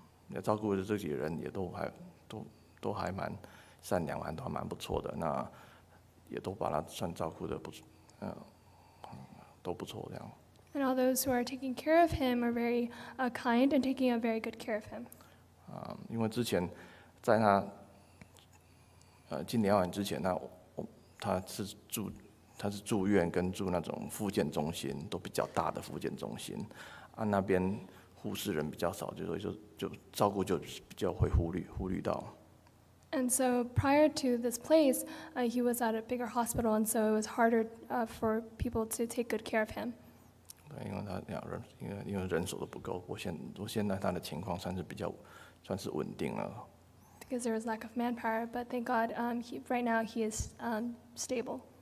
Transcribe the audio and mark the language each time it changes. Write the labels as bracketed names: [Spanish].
[Chinese] 要照顾的这几个人也都还蛮善良，还都还蛮不错的。那也都把他算照顾的不，都不错这样。 [English] And all those who are taking care of him are very kind and taking a very good care of him. [Chinese] 因为之前在他进疗养之前，他是住院跟住那种复健中心，都比较大的复健中心，那边护士人比较少，就说就照顾就比较会忽略到。 [English] And so prior to this place, he was at a bigger hospital, and so it was harder for people to take good care of him. [Chinese] 对，因为他因为人手都不够，我现在他的情况算是稳定了。 [English] Because there was lack of manpower, but thank God, right now he is stable.